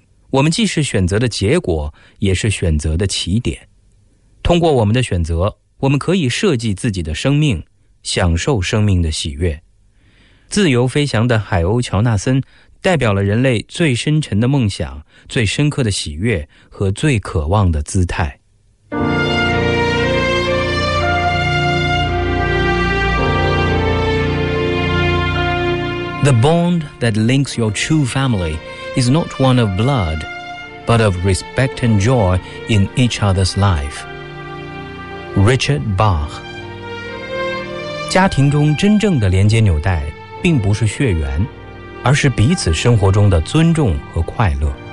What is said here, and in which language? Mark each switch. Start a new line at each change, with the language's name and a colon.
Chinese: 我们既是选择的结果，也是选择的起点。通过我们的选择，我们可以设计自己的生命，享受生命的喜悦。自由飞翔的海鸥乔纳森代表了人类最深沉的梦想、最深刻的喜悦和最渴望的姿态。
English: The bond that links your true family is not one of blood, but of respect and joy in each other's life. Richard Bach。
Chinese: 家庭中真正的连接纽带并不是血缘，而是彼此生活中的尊重和快乐。